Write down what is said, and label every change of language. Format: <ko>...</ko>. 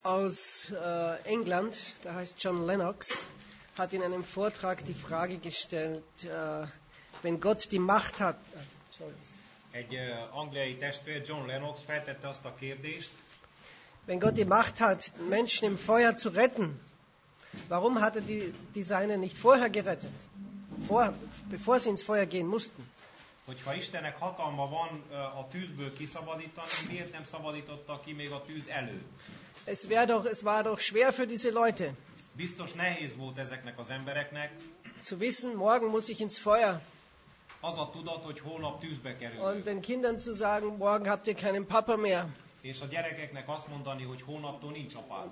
<de>aus England, der heißt John Lennox, hat in einem Vortrag die Frage gestellt, wenn Gott die Macht hat.</de> <hu>Egy angliai testvér, John Lennox, feltette azt a kérdést.</hu> <de>Wenn Gott die Macht hat, Menschen im Feuer zu retten, warum hat er die Seine nicht vorher gerettet? Bevor sie ins Feuer gehen mussten.</de> <hu>Hogyha Istennek hatalma van a tűzből kiszabadítani, miért nem szabadította ki még a tűz előtt?</hu> <de>Es war doch schwer für diese Leute.</de> <hu>Biztos nehéz volt ezeknek az embereknek.</hu> <de>Zu wissen, morgen muss ich ins Feuer.</de> <hu>Az a tudat, hogy holnap tűzbe kerülök.</hu> <de>Und den Kindern zu sagen, morgen habt ihr keinen Papa mehr.</de> <hu>És a gyerekeknek azt mondani, hogy holnaptól nincs apád.</hu>